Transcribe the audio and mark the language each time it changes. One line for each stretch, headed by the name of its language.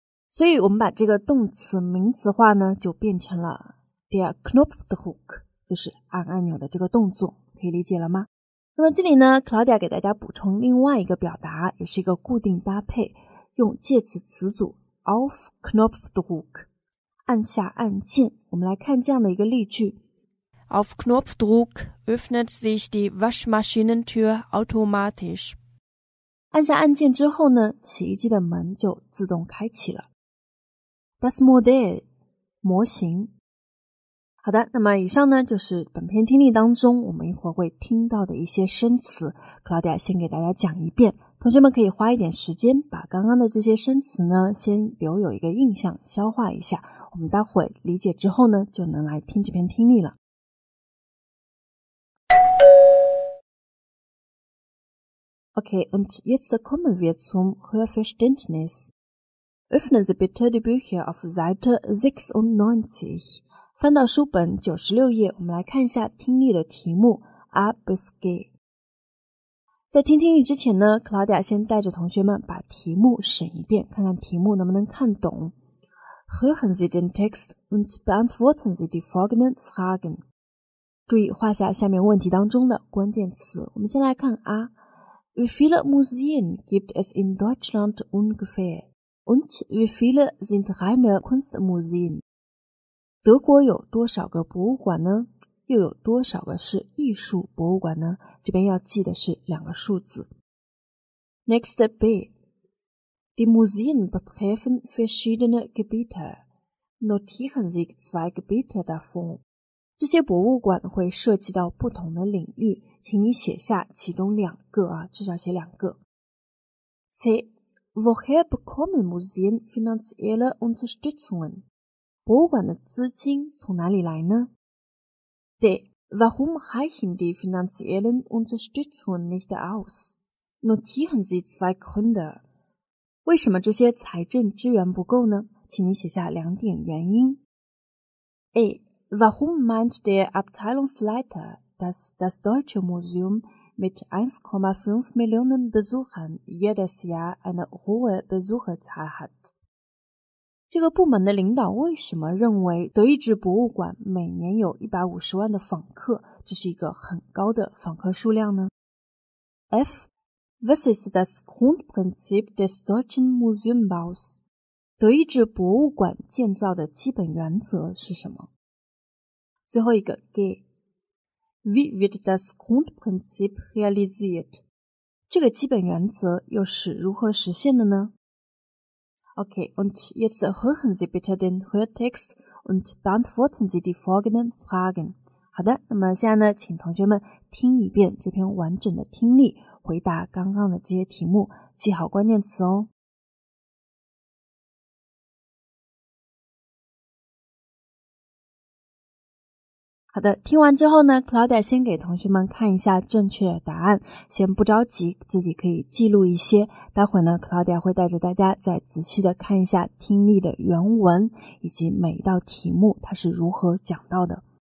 Chinese: 所以我们把这个动词名词化呢就变成了
German: der Knopf der Hook
Chinese: 就是按按钮的这个动作可以理解了吗那么这里呢 Claudia 给大家补充另外一个表达也是一个固定搭配用介词词组
German: auf Knopf der Hook
Chinese: 按下按键我们来看这样的一个例句
German: auf Knopfdruck öffnet sich die Waschmaschinentür automatisch
Chinese: 按下按键之后呢洗衣机的门就自动开启了
German: Das Modell,
Chinese: 模型。好的，那么以上呢，就是本篇听力当中我们一会儿会听到的一些生词。 Claudia 先给大家讲一遍，同学们可以花一点时间把刚刚的这些生词呢，先留有一个印象，消化一下。我们待会理解之后呢，就能来听这篇听力了。
German: Okay, und jetzt kommen wir zum Hörverständnis. Öffnen Sie bitte die Bücher auf Seite 96.
Chinese: 翻到书本96页，我们来看一下听力的题目
German: A bis G。
Chinese: 在听听力之前呢 ，Claudia 先带着同学们把题目审一遍，看看题目能不能看懂。
German: Hören Sie den Text und beantworten Sie die folgenden Fragen.
Chinese: 注意画下下面问题当中的关键词。我们先来看 A.
German: Wie viele Museen gibt es in Deutschland ungefähr? Und wie viele sind reine Kunstmuseen?
Chinese: 德国有多少个博物馆呢？又有多少个是艺术博物馆呢？这边要记的是两个数字。
English: Next B.
German: Die Museen betreffen verschiedene Gebiete. Notieren Sie zwei Gebiete davon.
Chinese: 这些博物馆会涉及到不同的领域，请你写下其中两个啊，至少写两个。 C.
German: Woher bekommen Museen finanzielle Unterstützungen?
Chinese: 博物馆的资金从哪里来呢 D.
German: Warum reichen die finanziellen Unterstützungen nicht aus? Notieren Sie zwei Gründe.
Chinese: 为什么这些财政支援不够呢？请你写下两点原因。 A.
German: Warum meint der Abteilungsleiter, dass das Deutsche Museum... mit 1,5 Millionen Besuchern jedes Jahr eine hohe Besucherzahl hat.
Chinese: 这个部门的领导为什么认为德意志博物馆每年有150万的访客，这是一个很高的访客数量呢？ F.
German: Was ist das Grundprinzip des Deutschen Museumbaus?
Chinese: 德意志博物馆建造的基本原则是什么？最后一个 G.
German: Wie wird das Grundprinzip realisiert?
Chinese: 这个基本原则又是如何实现的呢
German: ？Okay, und jetzt hören Sie bitte den Hörtext und beantworten Sie die folgenden Fragen.
Chinese: 好的，那么现在呢，请同学们听一遍这篇完整的听力，回答刚刚的这些题目，记好关键词哦。好的，听完之后呢， Claudia 先给同学们看一下正确的答案，先不着急，自己可以记录一些，待会呢 Claudia 会带着大家再仔细的看一下听力的原文以及每一道题目它是如何讲到的。